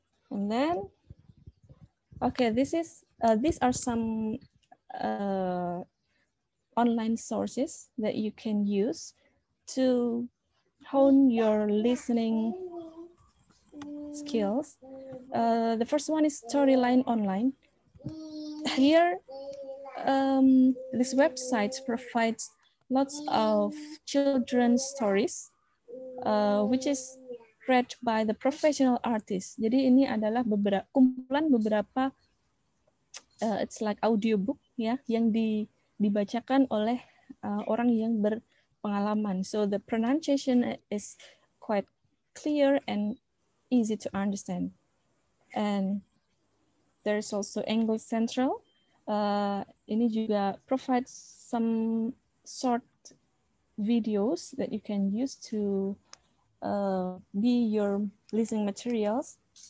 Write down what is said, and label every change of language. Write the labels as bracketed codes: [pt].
[en] And then, okay, this is these are some online sources that you can use to hone your listening skills. The first one is Storyline Online. Here, this website provides lots of children's stories, which is read by the professional artists. [id] Jadi ini adalah beberapa kumpulan beberapa [en] it's like audiobook [id] ya, yang dibacakan oleh orang yang berpengalaman. [en] So the pronunciation is quite clear and easy to understand. And there is also English Central. [id] Ini juga [en] provides some short videos that you can use to be your listening materials.